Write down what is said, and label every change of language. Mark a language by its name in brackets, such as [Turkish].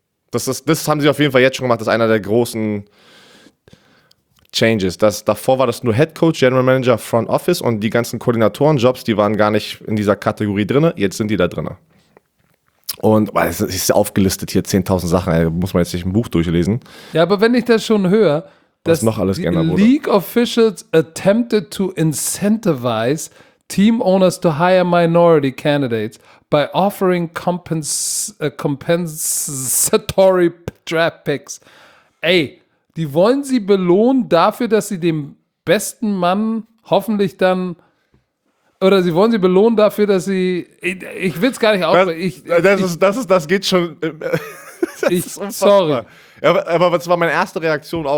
[German] Das haben sie auf jeden Fall jetzt schon gemacht. Das ist einer der großen Changes. Das, davor war das nur Head Coach, General Manager, Front Office und die ganzen Koordinatorenjobs, die waren gar nicht in dieser Kategorie drin. Jetzt sind die da drin. Und es ist aufgelistet hier 10.000 Sachen. Da muss man jetzt nicht ein Buch durchlesen. Ja, aber wenn ich das schon höre, dass noch alles die [English] League Officials attempted to incentivize team owners to hire minority candidates by offering compensatory draft picks. [German] Ey, die wollen sie belohnen dafür, dass sie dem besten Mann hoffentlich dann, oder sie wollen sie belohnen dafür, dass sie, ich will es gar nicht aufhören. Das geht schon. Sorry. Ja, aber das war meine erste Reaktion auch.